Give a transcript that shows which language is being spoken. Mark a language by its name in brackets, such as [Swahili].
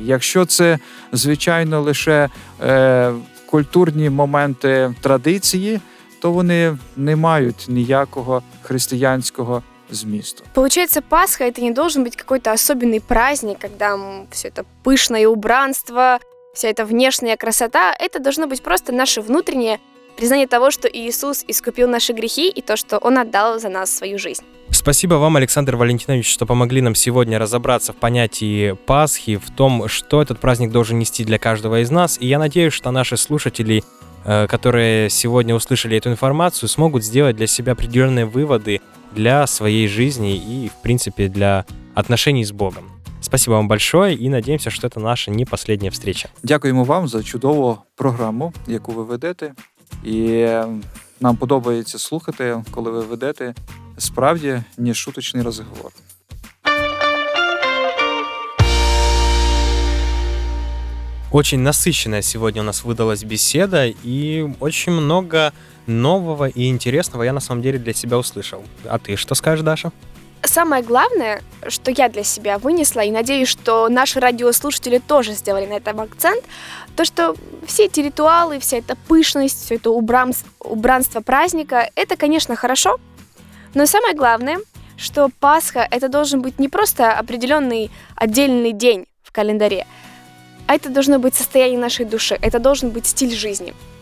[Ukrainian] Якщо це, звичайно, лише культурні моменти традиції, то вони не мають ніякого християнського змісту. Получається, Пасха – це не має бути якийсь особливий праздник, коли все це пишне убранство, вся ця внешня красота. Це має бути просто наше внутрішнє [Russian] признание того, что Иисус искупил наши грехи и то, что Он отдал за нас свою жизнь. Спасибо вам, Александр Валентинович, что помогли нам сегодня разобраться в понятии Пасхи, в том, что этот праздник должен нести для каждого из нас. И я надеюсь, что наши слушатели, которые сегодня услышали эту информацию, смогут сделать для себя определенные выводы для своей жизни и, в принципе, для отношений с Богом. Спасибо вам большое и надеемся, что это наша не последняя встреча. [Ukrainian] Дякуємо вам за чудову программу, яку ви ведете. І нам подобається слухати, коли ви ведете справді нешуточний розговор. [Russian] Очень насыщенная сегодня у нас выдалась беседа, и очень много нового и интересного я на самом деле для себя услышал. А ты что скажешь, Даша? самое главное, что я для себя вынесла, и надеюсь, что наши радиослушатели тоже сделали на этом акцент, то, что все эти ритуалы, вся эта пышность, все это убранство праздника, это, конечно, хорошо, но самое главное, что Пасха — это должен быть не просто определенный отдельный день в календаре, а это должно быть состояние нашей души, это должен быть стиль жизни.